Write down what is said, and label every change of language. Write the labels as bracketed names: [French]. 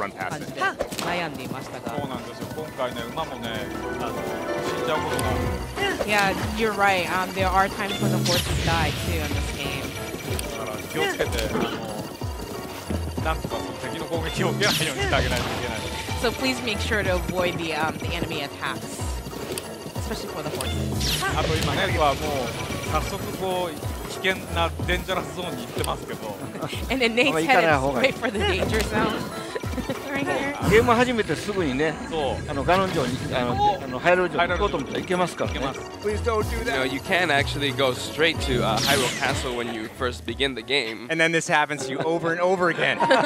[Japanese] か感じで悩んでいましたが。そうなんですよ。今回ね馬もね死んじゃうことがある。 [English] Yeah, you're right. There are times when the horses die too in this game. [Japanese] だから気をつけてなんとかその敵の攻撃を受けないようにしてあげないといけない。 [English] So please make sure to avoid the enemy attacks. [Japanese] あと今ネットはもう早速こう危険なデンジャラスゾーンに行ってますけど。 [English] And then Nate's headed straight for the danger zone. [Japanese] ゲーム始めてすぐにね、ガノン城に、ハイロル城に行こうと思ったら行けますからね。 [English] Please don't do that. No, you can actually go straight to Hyrule Castle when you first begin the game. And then this happens to you over and over again.